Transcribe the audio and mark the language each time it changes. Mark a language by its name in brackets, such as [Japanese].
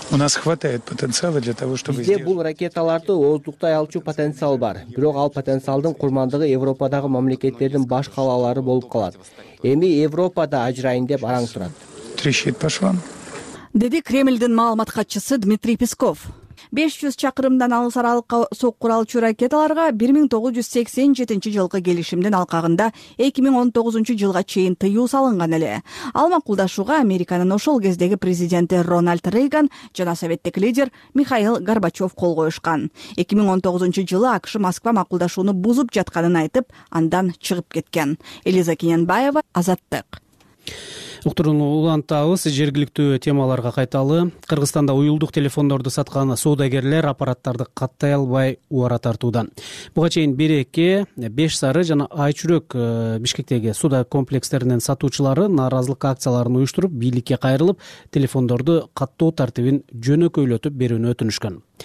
[Russian] У нас хватает потенциала для того, чтобы сделать. [Kyrgyz] Бизде бул ракеталарды ооздуктай алчу потенциал бар. Бирок ал потенциалдын курмандыгы Европадагы мамлекеттердин баш калалары болуп калат. Эми Европада ажырайын деп араң турат. [Russian] Трещит по швам. [Kyrgyz] Деди Кремлдин маалымат катчысы Дмитрий Песков. 500 чакырымдан алыс аралыкка сокку куралчу ракеталарга 1987 жылкы келишимдин алкагында 2019 жылга чейин тыюу салынган эле. Ал макулдашууга Американын ошол кездеги президенти Рональд Рейган жана советтик лидер Михаил Горбачев кол коюшкан. 2019 жылы АКШ Москва макулдашууну бузуп жатканын айтып, андан чыгып кеткен. Элиза Кененбаева, Азаттык. Уктурууну улантабыз. Жергиликтүү темаларга кайталы. Кыргызстанда уюлдук телефондорду саткан соодагерлер аппараттарды каттай албай убара тартууда. Буга чейин Береке, Беш Сары жана Айчүрөк Бишкектеги сууда комплекстеринин сатуучулары нааразылык акцияларын уюштуруп, бийликке кайрылып, телефондорду каттоо тартибин жөнөкөйлөтүп берүүнү өтүнүшкөн.